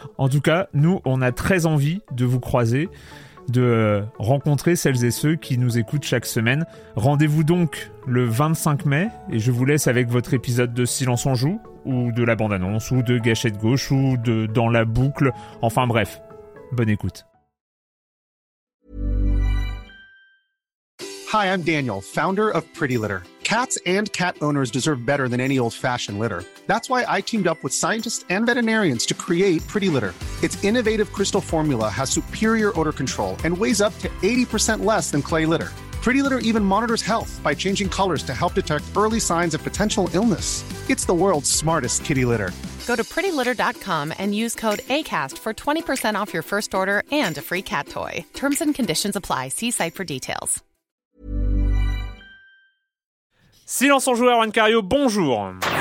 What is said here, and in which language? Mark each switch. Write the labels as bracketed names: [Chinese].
[French] En tout cas, nous, on a très envie de vous croiser, de rencontrer celles et ceux qui nous écoutent chaque semaine. Rendez-vous donc le 25 mai et je vous laisse avec votre épisode de Silence on Joue, ou de la bande-annonce, ou de Gâchette Gauche, ou de Dans la boucle. Enfin bref, bonne écoute. [English] Hi, I'm Daniel, founder of Pretty Litter. Cats and cat owners deserve better than any old-fashioned litter. That's why I teamed up with scientists and veterinarians to create Pretty Litter. Its innovative crystal formula has superior odor control and weighs up to 80% less than clay litter. Pretty Litter even monitors health by changing colors to help detect early signs of potential illness. It's the world's smartest kitty litter. Go to prettylitter.com and use code ACAST for 20% off your first order and a free cat toy. Terms and conditions apply. See site for details. [French] Silence on joueur, Juan Cario, bonjour.